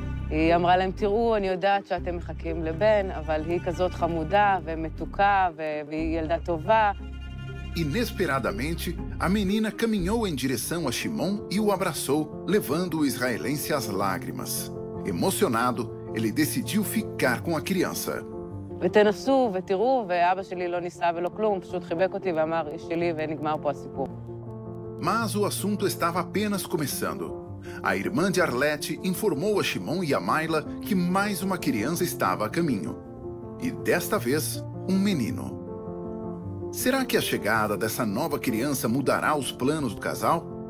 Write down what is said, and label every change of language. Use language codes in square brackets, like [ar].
[pt] E ela disse para eles, eu sei que vocês estão esperando para o filho, mas ela é tão linda, tão metuca, e é uma filha boa. Inesperadamente, a menina caminhou em direção a Shimon e o abraçou, levando o israelense às lágrimas. Emocionado, ele decidiu ficar com a criança. [he] ותנסו ותראו, ואבא שלי לא ניסה ולא כלום, פשוט חיבק אותי ואמר, איש שלי, ונגמר פה הסיפור. [pt] Mas o assunto estava apenas começando. A irmã de Arlete informou a Shimon e a Amayla que mais uma criança estava a caminho. E desta vez, um menino. Será que a chegada dessa nova criança mudará os planos do casal?